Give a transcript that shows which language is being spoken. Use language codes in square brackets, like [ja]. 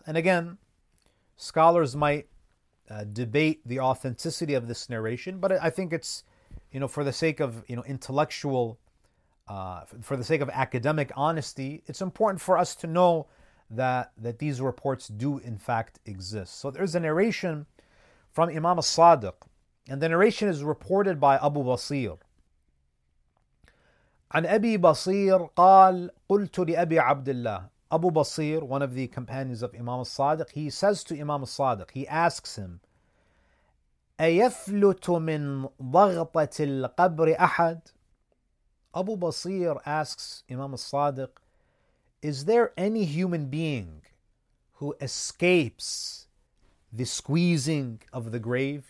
[en] And again, scholars might debate the authenticity of this narration, but I think it's, you know, for the sake of, you know, intellectual, for the sake of academic honesty, it's important for us to know that these reports do in fact exist. So there's a narration from Imam al-Sadiq, and the narration is reported by Abu Basir. [ar] عن أبي بصير قال قلت لأبي عبد الله. [en] Abu Basir, one of the companions of Imam al-Sadiq, he says to Imam al-Sadiq, he asks him, [ar] أيفلت من ضغطة القبر أحد؟ [en] Abu Basir asks Imam al-Sadiq, is there any human being who escapes the squeezing of the grave?